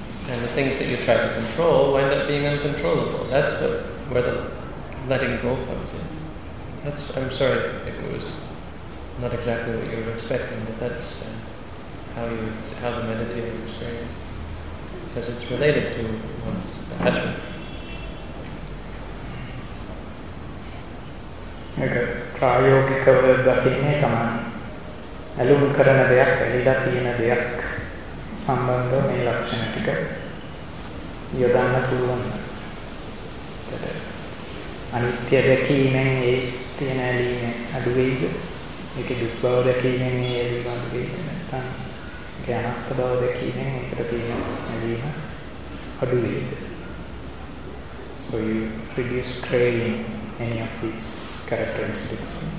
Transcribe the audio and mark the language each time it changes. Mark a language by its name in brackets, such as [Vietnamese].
[English] And the things that you try to control wind up being uncontrollable. That's where the letting go comes in. I'm sorry if it was not exactly what you were expecting, but that's how the meditative experience is. Because it's related to one's attachment. [Sinhala] ඒක ප්‍රායෝගිකව දකින්නේ තමයි ඇලුම් කරන දෙයක් ඇලිලා තියෙන දෙයක් සම්බන්ධව මේ ලක්ෂණ ටික යොදන්න පුළුවන්. අනිත්‍ය දැකීමෙන් ඒ තියෙන ඇලීම අඩු වෙයිද? ඒක දුක් බව දැකීමෙන් ඒ ඇලීම අඩු වෙයිද? නැත්නම් ඒක අනාත්ම බව දැකීමෙන් ඒකට තියෙන ඇලීම අඩු වෙයිද? [English] So you reduce craving any of these characteristics.